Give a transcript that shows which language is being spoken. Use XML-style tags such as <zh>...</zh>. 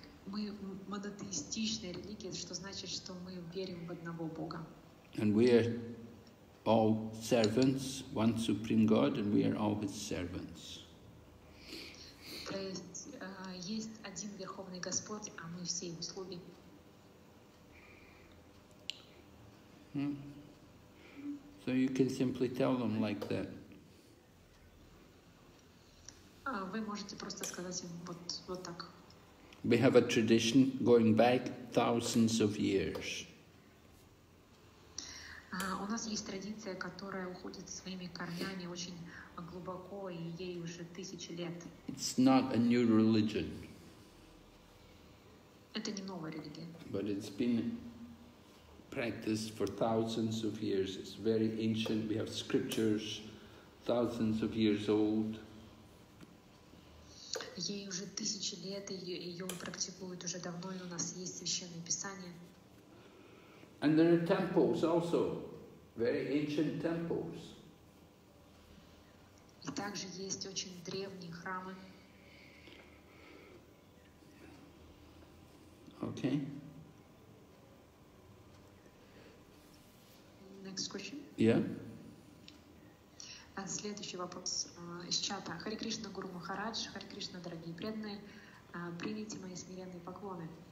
<ru>Мы монотеистичная религия, что значит, что мы верим в одного Бога.</ru> <en>And we are all servants, one supreme God, and we are all His servants.</en> <ru>То есть есть один верховный Господь, а мы все Его слуги.</ru> <en>So you can simply tell them like that.</en> <ru>Вы можете просто сказать им вот так.</ru> <en>We have a tradition going back thousands of years.</en> <ru>У нас есть традиция, которая уходит своими корнями очень глубоко, и ей уже тысячи лет.</ru> <en>It's not a new religion.</en> <ru>Это не новая религия.</ru> <en>But it's been practiced for thousands of years. It's very ancient. We have scriptures thousands of years old.</en> <ru>Ей уже тысячи лет, ее практикуют уже давно, и у нас есть священные писания.</ru> <en>And there are temples also, very ancient temples.</en> <ru>И также есть очень древние храмы.</ru> <en>Okay. Next question. Yeah.</en> <ru>Следующий вопрос из чата. Харе Кришна, Гуру Махарадж, Харе Кришна, дорогие преданные, примите мои смиренные поклоны.</ru>